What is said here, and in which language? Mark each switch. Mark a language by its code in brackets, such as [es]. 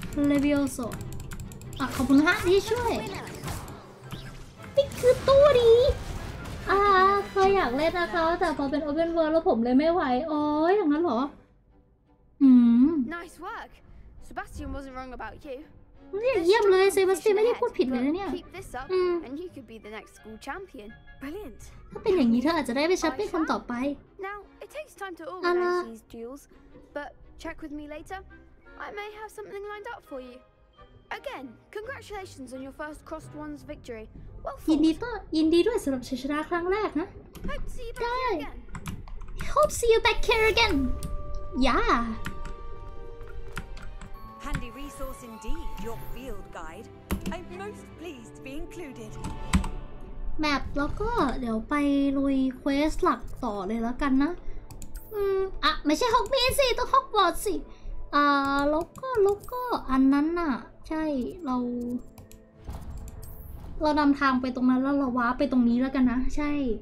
[th] Levioso ขอบคุณฮะที่ช่วยนี่คือตัวดีเคยอยากเล่นนะคะแต่พอเป็น Open World แล้วผมเลยไม่ไหวโอ้ยอย่างนั้นเหรอ [en] Nice workSebastian wasn't wrong about you. Yeah, yeah, but Sebastian [th] ไม่ได้พูดผิดเลยนะเนี่ย [en] Keep this up, and you could be the next school champion. Brilliant. [th] ถ้าเป็นอย่างนี้เธออาจจะได้ไปแชมเปี้ยนคนต่อไป [en] Now it takes time to organize these duels, but check with me later. I may have something lined up for you. Again, congratulations on your first Crossed Ones victory. Well fought. [th] ยินดีด้วยสำหรับชัยชนะครั้งแรกนะ [en] Hope to see you back here again. Hope to see you back here again. Yeah. Handy resource indeed, your field guide. I'm most pleased to be included. [th] Map แล้วก็เดี๋ยวไปลุยเควสหลักต่อเลยแล้วกันนะไม่ใช่ฮอกมีสิต้องฮอกวอตสิแล้วก็อันนั้นน่ะใช่เรานำทางไปตรงนั้นแล้วเราวาร์ปไปตรงนี้แล้วกันนะใช่